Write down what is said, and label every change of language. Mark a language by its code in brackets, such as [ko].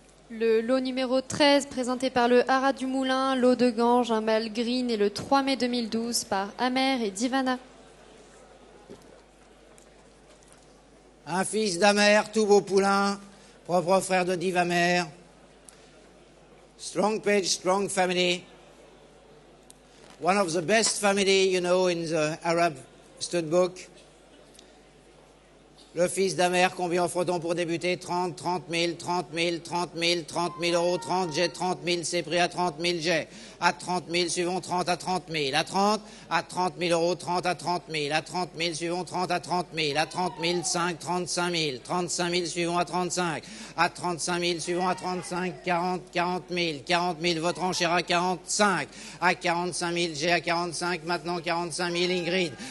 [fr] Le lot numéro 13, présenté par le Hara du Moulin, l'eau de Gange, un mâle green, et le 3 mai 2012, par Amer et Divana. Un fils d'Amer, tout beau poulain, propre frère de Div Amer. [en] Strong page, strong family. One of the best family, you know, in the Arab studbook. [fr] Le fils d'Amer, combien faut-on pour débuter? 30, 30 000, 30 000, 30 000, 30 000 euros, 30, j'ai 30 000, c'est pris à 30 000, j'ai. À 30 000, suivons 30 à 30 000, à 30, à 30 000 euros, 30 à 30 000, à 30 000, suivons 30 à 30 000, à 30 000, 5, 35 000, 35 000, suivons à 35, à 35 000, suivons à 35, 40, 40 000, 40 000, votre enchère à 45, à 45 000, j'ai à 45, maintenant 45 000, Ingrid,